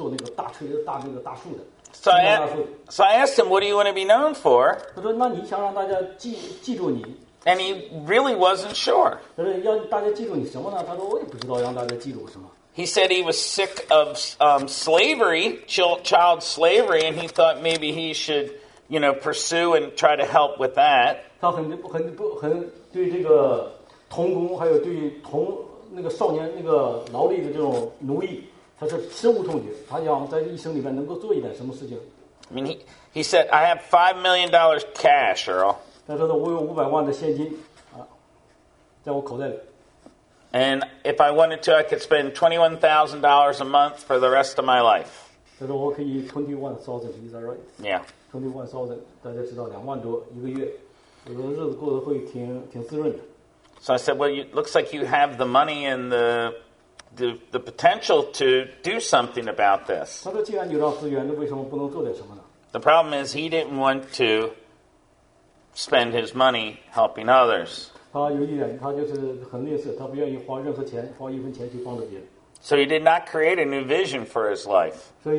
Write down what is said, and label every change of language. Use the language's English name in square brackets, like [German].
[Chinese] 他说的，他退休之前那个帕索尔就跟他有过一个小小的这个个人之间的那个交谈。他说的，你想干什么？他说的，我想退休以后不想让人知道，就说的这个杰夫，他主要是做那个大树的。 [English] So I asked him, "What do you want to be known for?" [Chinese] 他说，那你想让大家记住你。 [English] And he really wasn't sure. [Chinese] 他说，要大家记住你什么呢？他说，我也不知道让大家记住什么。 [English] He said he was sick of slavery, child slavery, and he thought maybe he should, you know, pursue and try to help with that. He said, "I have $5 million cash, Earl." [Chinese] 他说的，我有500万的现金啊，在我口袋里。 [English] And if I wanted to, I could spend $21,000 a month for the rest of my life. 21,000, is that right? Yeah. [Chinese] 21,000, 大家知道，两万多一个月，我的日子过得会挺滋润的。 [English] So I said, "Well, it looks like you have the money and the potential to do something about this." [Chinese] 他说，既然有这资源，那为什么不能做点什么呢？ [English] The problem is he didn't want to spend his money helping others. [Chinese] 他有一点，他就是很吝啬，他不愿意花任何钱，花一分钱去帮助别人。 [English] So he did not create a new vision for his life.